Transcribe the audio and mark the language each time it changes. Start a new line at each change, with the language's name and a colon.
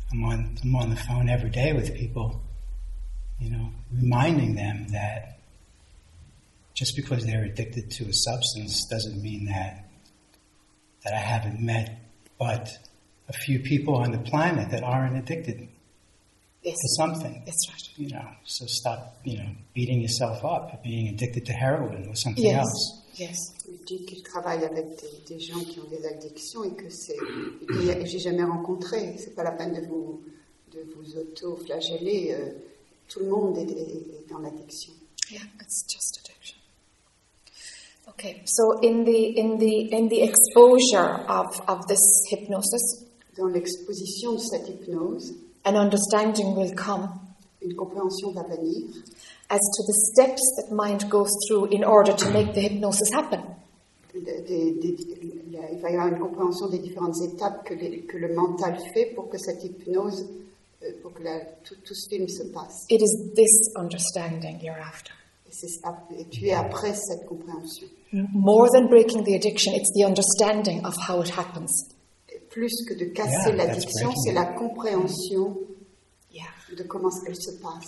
English: I'm on the phone every day with people, you know, reminding them that just because they're addicted to a substance doesn't mean that I haven't met but a few people on the planet that aren't addicted to something. That's right. You know, so stop, you know, beating yourself up for being addicted to heroin or something else. Yes.
French: Il dit qu'il travaille avec des gens qui ont des addictions et que c'est. Il dit, j'ai jamais rencontré. C'est pas la peine de vous de vous auto-flageller. Tout le monde est dans l'addiction.
English: Yeah, it's just addiction. Okay, so in the exposure of this hypnosis,
French: dans l'exposition de cette hypnose,
English: an understanding will come.
French: Une compréhension va venir.
English: As to the steps that mind goes through in order to make the hypnosis happen.
French: Il va y avoir une compréhension des différentes étapes que le mental fait pour que cette hypnose, pour que tout ce film se passe.
English: It is this understanding you're after.
French: Et tu es après cette compréhension.
English: More than breaking the addiction, it's the understanding of how it happens.
French: Plus que de casser l'addiction, c'est la compréhension de comment elle se passe.